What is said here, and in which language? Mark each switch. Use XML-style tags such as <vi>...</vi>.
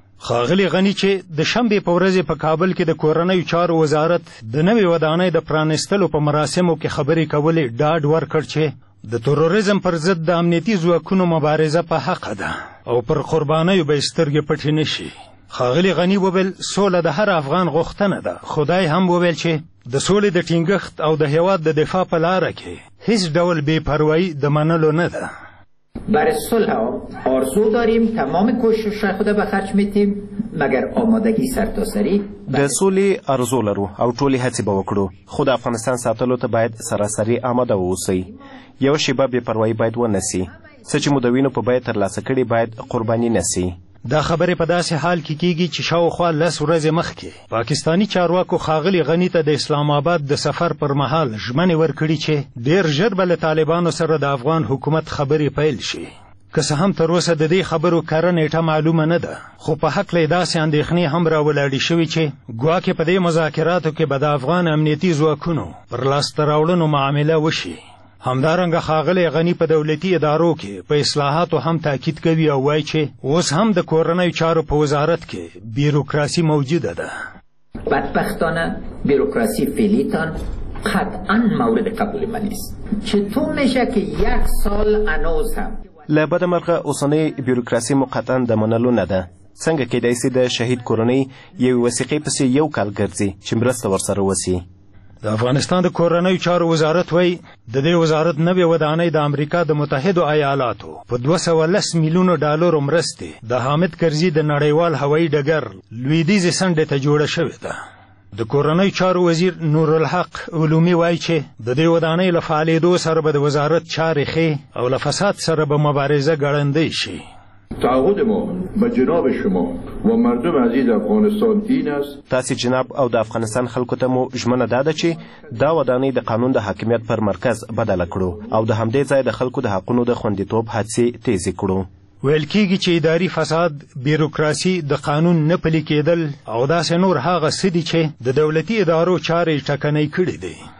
<ps>ښاغلي غنی چې د شنبې په ورځې په کابل کې د کورنیو چارو وزارت د نوې ودانۍ د پرانیستلو په مراسمو کې خبرې کولې ډاډ ورکړ چې د تروریزم پر ضد د امنیتي ځواکونو مبارزه په حقه ده او پر قربانیو به سترګې پټې نه شي. ښاغلي غني وویل سوله د هر افغان غوښتنه ده. خدای هم وویل چې د سولې د ټینګښت او د هیواد د دفاع په لاره کې هیڅ ډول بې پروايي د منلو نه ده.</ps> <fa>برای صلح آرزو داریم، تمام کوشش را خود به خرج میتیم، مگر آمادگی سرتاسری</fa> <ps>د سولې ارزو لرو او ټولې هڅې به وکړو، خو د افغانستان ساتلو ته باید سراسري آماده واوسئ. یو شیبه بې پروايي باید ونه سي. څه چې مو د وینو په بیه ترلاسه کړي باید قرباني نه سي. دا خبرې په داسې حال کې کیږي چې شاوخوا لس ورځې مخکې پاکستانی چارواکو ښاغلي غني ته د اسلام آباد د سفر پر مهال ژمنې ورکړي چې ډېر ژر به له طالبانو سره د افغان حکومت خبرې پیل شي. که څه هم تر اوسه د دې خبرو کره نیټه معلومه نه ده، خو په حق له داسې اندېښنې هم راولاړې شوې چې ګواکې په دې مذاکراتو کې به د افغان امنیتي ځواکونو پر لاسته راوړنو معامله وشي. همدارنګه ښاغلی غنی په دولتي ادارو کې په اصلاحاتو هم تاکید کوي او وایي چې اوس هم د کورنیو چارو په وزارت کې بیوروکراسي موجوده ده.</ps> <fa>بدبختانه بیوروکراسي فعلیتان قطعا مورد قبول من نیست. چطور میشه که یک سال انوز هم</fa> <ps>لبد مرغه اوسنۍ بیوروکراسي مقطعا د منلو نه ده. څنګه کېدای سي د شهید کورنۍ یوې وثیقې پسې یو کال ګرځي چې مرسته ورسره وسي؟ د افغانستان د کورنیو چارو وزارت وایي د دې وزارت نوې ودانۍ د امریکا د متحدو ایالاتو په 210 میلیونو ډالرو مرستې د حامد کرزي د نړیوال هوایي ډګر لویدیځې څنډې ته جوړه شوې ده. د کورنیو چارو وزیر نورالحق علومي وایي چې د دې ودانۍ له فعالېدو سره به د وزارت چارې ښې او له فساد سره به مبارزه ګړندۍ شي.</ps> <fa>تعهد ما به جناب شما و مردم عزیز افغانستان دین است.</fa> <ps>تاسی جناب او د افغانستان خلکو ته مو ژمنه داده چې دا ودانۍ د قانون د حاکمیت پر مرکز بدل کړو او د همدې ځای د خلکو د حقونو د خوندیتوب هڅې تیزې کړو. ویل کېږي چې اداري فساد، بیوروکراسي، د قانون نه پلي کېدل او داسې نور هغه څه دي چې د دولتي ادارو چارې ټکنۍ کړي دي.</ps>